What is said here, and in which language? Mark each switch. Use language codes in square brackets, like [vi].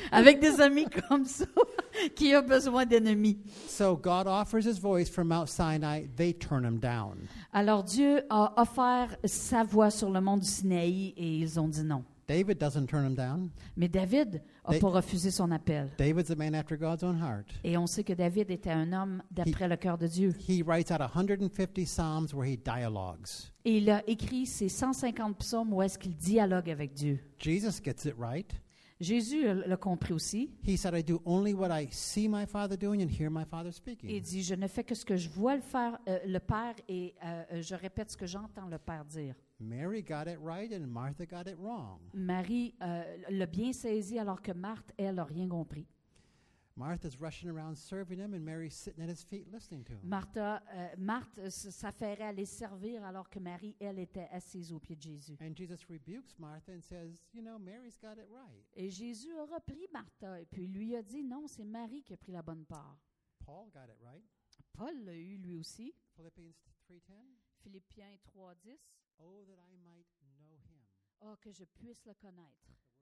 [fr] Avec des amis comme ça, qui a besoin d'ennemis? [en] So God offers his voice from Mount Sinai. They turn him down. [fr] Alors Dieu a offert sa voix sur le mont du Sinaï et ils ont dit non. [en] David doesn't turn him down. [fr] Mais David n'a pas refusé son appel. [en] David's a man after God's own heart. [fr] Et on sait que David était un homme d'après le cœur de Dieu. [en] He writes out 150 psalms where he dialogues. [fr] Et il a écrit ses 150 psaumes où est-ce qu'il dialogue avec Dieu. [en] Jesus gets it right. [fr] Jésus l'a compris aussi. [en] He said, "I do only what I see my Father doing and hear my Father speaking." [fr] Il dit, je ne fais que ce que je vois le faire le Père et je répète ce que j'entends le Père dire. [en] Mary got it right and Martha got it wrong. [fr] Marie l'a bien saisi alors que Marthe elle a rien compris. [en] Martha's rushing around serving him and Mary's sitting at his feet listening to him. [fr] Marthe s'affairait à les servir alors que Marie elle était assise aux pieds de Jésus. [en] And Jesus rebukes Martha and says, "You know, Mary's got it right." [fr] Et Jésus a repris Martha et puis lui a dit, "Non, c'est Marie qui a pris la bonne part." [en] Paul got it right. [fr] Paul l'a eu lui aussi. [en] Philippians 3:10. [fr] Philippiens 3:10. [en] Oh, that I might know him. [fr] Oh, que je puisse le connaître.